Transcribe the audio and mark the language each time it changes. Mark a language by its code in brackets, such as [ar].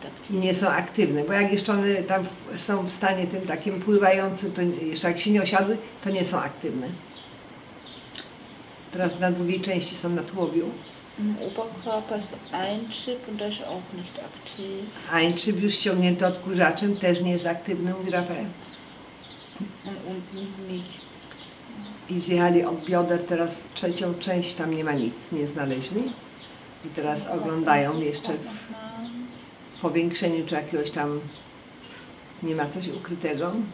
[pl] Nie są aktywne, bo jak jeszcze one tam są w stanie tym takim pływającym, to jeszcze jak się nie osiadły, to nie są aktywne. Teraz na drugiej części są na tłowiu. [de] Oberkörper ist ein Chip und [pl] też [de] auch nicht aktiv. Ein [pl] Chip już ściągnięty odkurzaczem, też nie jest aktywny, mówi Rafael. [de] Und nichts. [pl] I zjechali od bioder, teraz trzecią część, tam nie ma nic, nie znaleźli. I teraz oglądają jeszcze w powiększeniu, czy jakiegoś tam nie ma coś ukrytego.